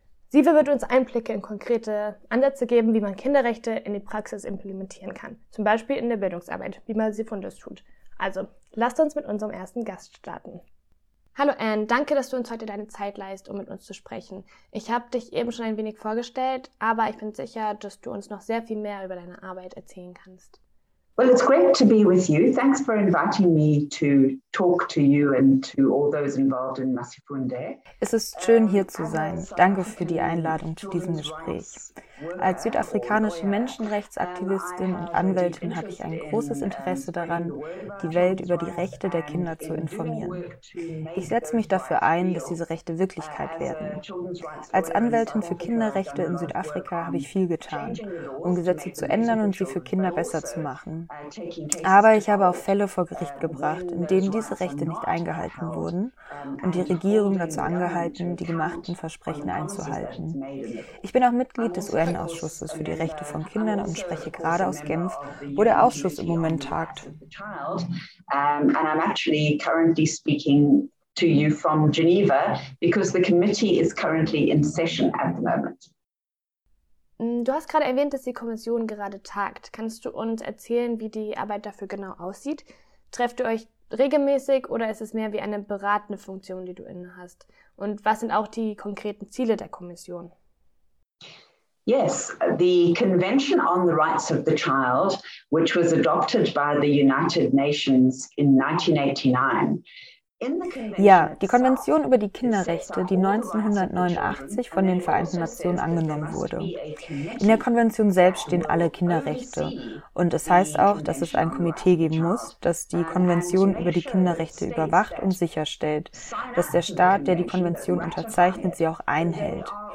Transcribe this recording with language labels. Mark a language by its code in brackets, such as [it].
[de] Sive wird uns Einblicke in konkrete Ansätze geben, wie man Kinderrechte in die Praxis implementieren kann, zum Beispiel in der Bildungsarbeit, wie Massifunde es tut. Also, lasst uns mit unserem ersten Gast starten. Hallo Anne, danke, dass du uns heute deine Zeit leihst, um mit uns zu sprechen. Ich habe dich eben schon ein wenig vorgestellt, aber ich bin sicher, dass du uns noch sehr viel mehr über deine Arbeit erzählen kannst. [en] Well, it's great to be with you. Thanks for inviting me to talk to you and to all those involved in Massifunde. [de] Es ist schön, hier zu sein. Danke für die Einladung zu diesem Gespräch. Als südafrikanische Menschenrechtsaktivistin und Anwältin habe ich ein großes Interesse daran, die Welt über die Rechte der Kinder zu informieren. Ich setze mich dafür ein, dass diese Rechte Wirklichkeit werden. Als Anwältin für Kinderrechte in Südafrika habe ich viel getan, um Gesetze zu ändern und sie für Kinder besser zu machen. Aber ich habe auch Fälle vor Gericht gebracht, in denen diese Rechte nicht eingehalten wurden und die Regierung dazu angehalten, die gemachten Versprechen einzuhalten. Ich bin auch Mitglied des UN-Ausschusses für die Rechte von Kindern und spreche gerade aus Genf, wo der Ausschuss im Moment tagt. [en] And I'm actually currently speaking to you from Geneva because the committee is currently in session at the moment. [de] Du hast gerade erwähnt, dass die Kommission gerade tagt. Kannst du uns erzählen, wie die Arbeit dafür genau aussieht? Trefft ihr euch regelmäßig oder ist es mehr wie eine beratende Funktion, die du innehast? Und was sind auch die konkreten Ziele der Kommission? [en] Yes, the Convention on the Rights of the Child, which was adopted by the United Nations in 1989. [de] Ja, die Konvention über die Kinderrechte, die 1989 von den Vereinten Nationen angenommen wurde. In der Konvention selbst stehen alle Kinderrechte. Und es heißt auch, dass es ein Komitee geben muss, das die Konvention über die Kinderrechte überwacht und sicherstellt, dass der Staat, der die Konvention unterzeichnet, sie auch einhält.